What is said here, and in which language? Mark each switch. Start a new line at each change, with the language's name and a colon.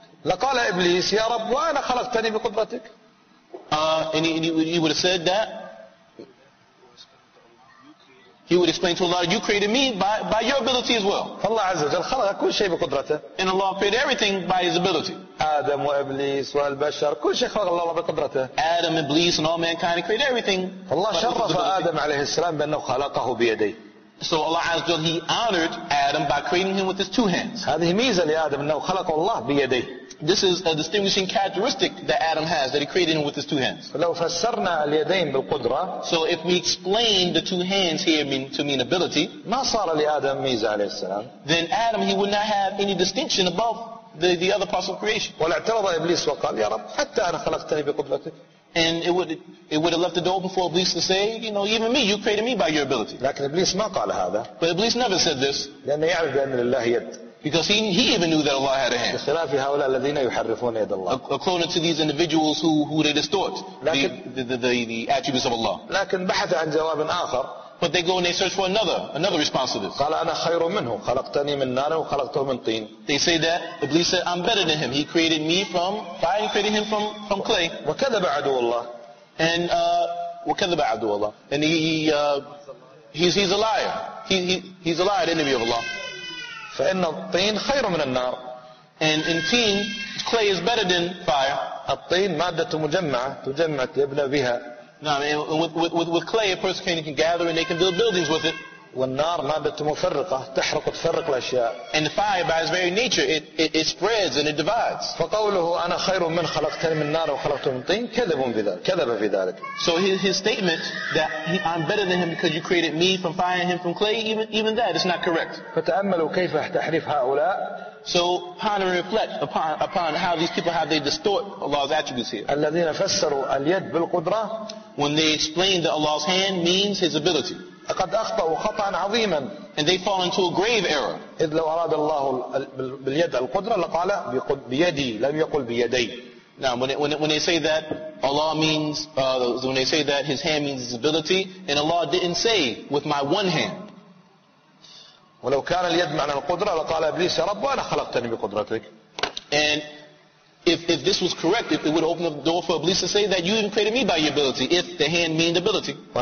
Arabic: لقال إبليس يا رب وأنا خلقتني بقدرتك.
English: And he would have said that. He would explain to Allah, "You created me by your ability as well."
Arabic: فالله عز وجل خلق كل شيء بقدرته.
English: And Allah created everything by His ability.
Arabic: آدم وإبليس والبشر كل شيء خلق الله بقدرته.
English: Adam, Iblis, and all mankind created everything.
Arabic: فالله شرف آدم عليه السلام بأنه خلقه بيديه.
English: So Allah عز وجل, He honored Adam by creating him with His two hands.
Arabic: هذه ميزة لآدم أنه خلق الله بيديه.
English: This is a distinguishing characteristic that Adam has, that he created him with his two hands.
Arabic: فلو فسرنا اليدين بالقدرة.
English: So if we explain the two hands here to mean ability,
Arabic: ما صار لآدم ميزة عليه السلام.
English: Then Adam, he would not have any distinction above the other parts of creation.
Arabic: ولاعترض إبليس وقال يا رب حتى أنا خلقتني بقدرتك.
English: And it would have left the door open for Iblis to say, you know, even me, you created me by your ability.
Arabic: لكن إبليس ما قال هذا.
English: But Iblis never said this.
Arabic: لأن يعرف بأن لله يد.
English: Because he even knew that Allah had a hand.
Arabic: بخلاف هؤلاء الذين يحرفون يد الله.
English: According to these individuals who they distort the attributes of Allah.
Arabic: لكن بحث عن جواب آخر.
English: But they go and they search for another response to this.
Arabic: قال أنا خير منه خلقتني من نار وخلقته من طين.
English: They say that Iblis said I'm better than him. He created me from fire and created him from clay.
Arabic: وكذب عدو الله. And وكذب عدو الله.
English: And he's a liar. He's a liar, the enemy of Allah.
Arabic: فإن الطين خير من النار.
English: And in teen, clay is better than fire.
Arabic: الطين مادة مجمعة تجمع تبنى بها. نعم.
English: With clay, a person can gather and they can build buildings with it.
Arabic: والنار مادة مفرقة تحرق وتفرق الأشياء.
English: And fire, by its very nature, it spreads and it divides.
Arabic: فقوله أنا خير من خلقتني من النار وخلقته من طين كذب في ذلك.
English: So his statement that I'm better than him because you created me from fire and him from clay, even that is not correct.
Arabic: فتأملوا كيف تحريف هؤلاء.
English: So ponder and reflect upon how these people, how they distort Allah's attributes here.
Arabic: الذين فسروا اليد بالقدرة.
English: When they explain that Allah's hand means His ability.
Arabic: قد أخطأوا خطأ عظيما.
English: And they fall into a grave error.
Arabic: إذ لو أراد الله باليد القدرة لقال بيدي لم يقل بيدي.
English: Now when they say that Allah means when they say that His hand means His ability, and Allah didn't say with my one hand.
Arabic: ولو كان اليد معنى القدرة لقال إبليس يا رب وأنا خلقتني بقدرتك.
English: And If this was correct, it would open the door for Iblis to say that you even created me by your ability, if the hand meaned ability.